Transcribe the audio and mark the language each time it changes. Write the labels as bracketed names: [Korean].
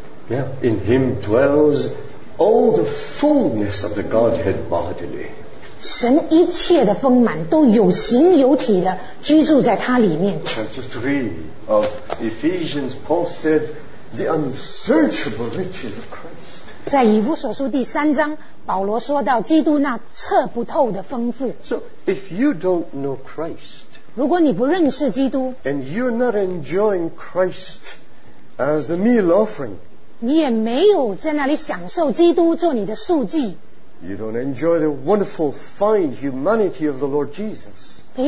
[English] Yeah, in him dwells all the fullness of the Godhead bodily. [Chinese] 神一切的丰满都有形有体的居住在他里面。 [English] Chapter 3 of Ephesians, Paul said, the unsearchable riches of Christ. [Chinese] 在以弗所书第三章, 保罗说到基督那测不透的丰富。 [English] So if you don't know Christ, [Chinese] 如果你不认识基督, [English] and you're not enjoying Christ as the meal offering, [Chinese] 你也没有在那里享受基督做你的素祭, [English] you don't enjoy the wonderful fine humanity of the Lord Jesus,